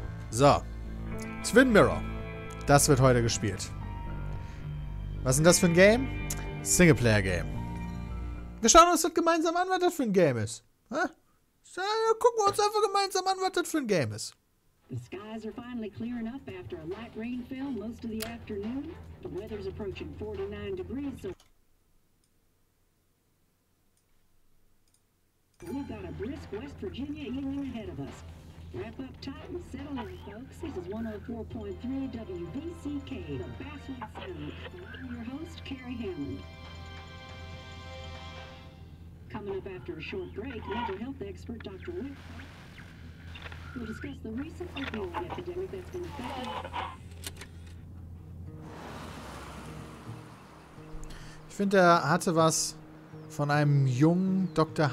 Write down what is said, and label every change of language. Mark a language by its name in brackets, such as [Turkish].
[German] So. Twin Mirror. Das wird heute gespielt. Was ist denn das für ein Game? Singleplayer Game. Wir schauen uns das gemeinsam an, was das für ein Game ist. Hä? So, gucken wir uns einfach gemeinsam an, was das für ein Game ist. [English] The skies are finally clear enough after a light rainfall most of the afternoon. The weather's approaching 49 degrees, so... We've got a brisk West Virginia evening ahead of us. Wrap up tight and settle in, folks. This is 104.3 WBCK, the Basswood Sound. I'm your host, Carrie Hammond. Coming up after a short break, mental health expert Dr. Wick will discuss the recent opioid epidemic that's been affecting... [German] Ich finde, er hatte was von einem jungen Dr.